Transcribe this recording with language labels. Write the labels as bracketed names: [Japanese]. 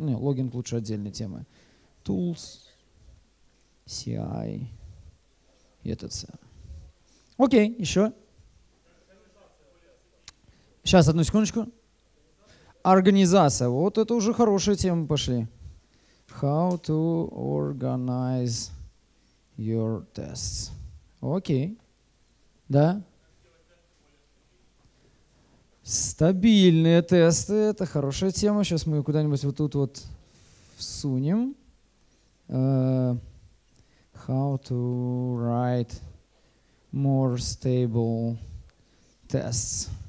[Russian] Не, логинг лучше отдельной темы. Tools. CI и ETC. Окей, еще. Сейчас, одну секундочку. Организация. Вот это уже хорошая тема, пошли. [English] How to organize your tests. [Russian] Окей. Да? Стабильные тесты. Это хорошая тема. Сейчас мы ее куда-нибудь вот тут вот всунем. [English] How to write more stable tests.